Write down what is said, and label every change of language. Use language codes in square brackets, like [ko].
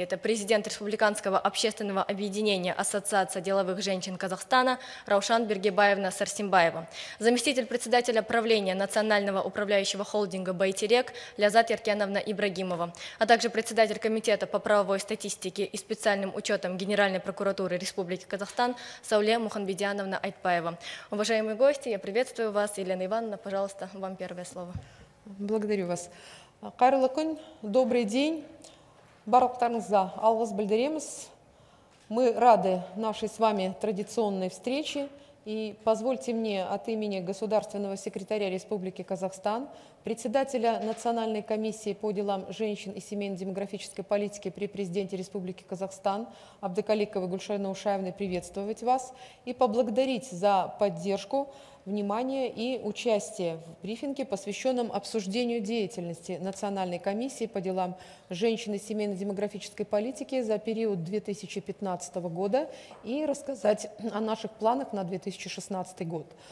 [ru] Это президент Республиканского общественного объединения Ассоциация деловых женщин Казахстана Раушан Бергебаевна Сарсимбаева, заместитель председателя правления Национального управляющего холдинга «Байтерек» Лязат Яркеновна Ибрагимова, а также председатель комитета по правовой статистике и специальным учетам Генеральной прокуратуры Республики Казахстан Сауле Мухамбедиановна Айтпаева. Уважаемые гости, я приветствую вас. Елена Ивановна, пожалуйста, вам первое слово. Благодарю вас. [kk] Қайырлы күн, [ru] добрый день. [kk] Барлықтарыңызға алғыс білдіреміз. [ru] Мы рады нашей с вами традиционной встрече. И позвольте мне от имени государственного секретаря Республики Казахстан, председателя Национальной комиссии по делам женщин и семейно-демографической политики при президенте Республики Казахстан Абдыкаликовой Гульшайны Ушаевны приветствовать вас и поблагодарить за поддержку, внимание и участие в брифинге, посвященном обсуждению деятельности Национальной комиссии по делам женщин и семейно-демографической политики за период 2015 года и рассказать о наших планах на 2016 год.